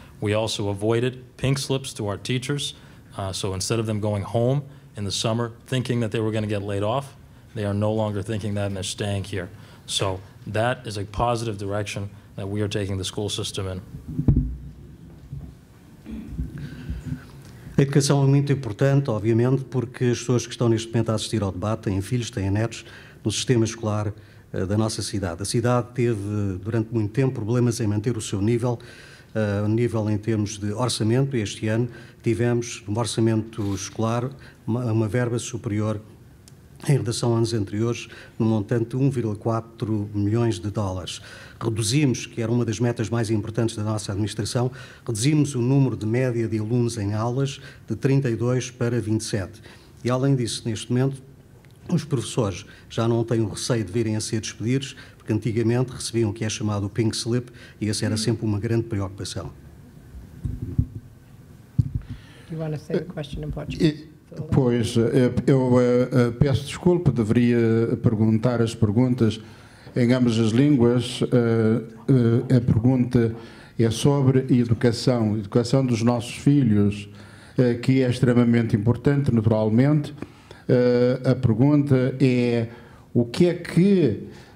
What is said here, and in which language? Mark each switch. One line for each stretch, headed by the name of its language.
English: We also avoided pink slips to our teachers, so instead of them going home in the summer thinking that they were going to get laid off, they are no longer thinking that and they're staying here. So that is a positive direction that we are taking the school system in.
Portuguese: A educação é muito importante, obviamente, porque as pessoas que estão neste momento a assistir ao debate têm filhos, têm netos no sistema escolar da nossa cidade. A cidade teve, durante muito tempo, problemas em manter o seu nível, nível em termos de orçamento. Este ano tivemos, no orçamento escolar, uma verba superior em relação a anos anteriores, no montante de US$1,4 milhões. Reduzimos, que era uma das metas mais importantes da nossa administração, reduzimos o número de média de alunos em aulas de 32 para 27. E, além disso, neste momento, os professores já não têm o receio de virem a ser despedidos, porque antigamente recebiam o que é chamado o pink slip, e essa era sempre uma grande preocupação.
English: You want to say the question in Portuguese?
Portuguese: Pois, eu peço desculpa, deveria perguntar as perguntas em ambas as línguas. A pergunta é sobre educação, educação dos nossos filhos, que é extremamente importante, naturalmente. A pergunta é o que é que